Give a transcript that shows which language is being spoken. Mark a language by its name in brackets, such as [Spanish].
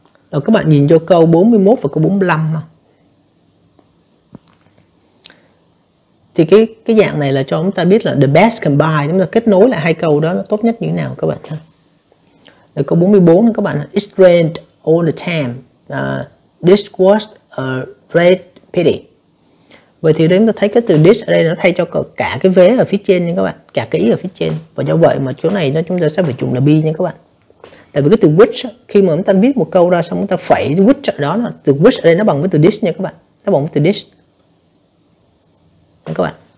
[Vietnamese] Rồi các bạn nhìn vô câu 41 và câu 45 mà. Thì cái dạng này là cho chúng ta biết là [English] the best combine, [Vietnamese] chúng ta kết nối lại hai câu đó là tốt nhất như thế nào các bạn ha. Rồi câu 44 các bạn, [English] it rained all the time, this was a great pity. [Vietnamese] Vậy thì chúng ta thấy cái từ this ở đây nó thay cho cả cái vế ở phía trên nha các bạn, cả cái ý ở phía trên, và do vậy mà chỗ này nó chúng ta sẽ phải chung là B nha các bạn. Tại vì cái từ which, khi mà chúng ta viết một câu ra xong chúng ta phẩy which ở đó, là từ which ở đây nó bằng với từ this nha các bạn, nó bằng với từ this các bạn.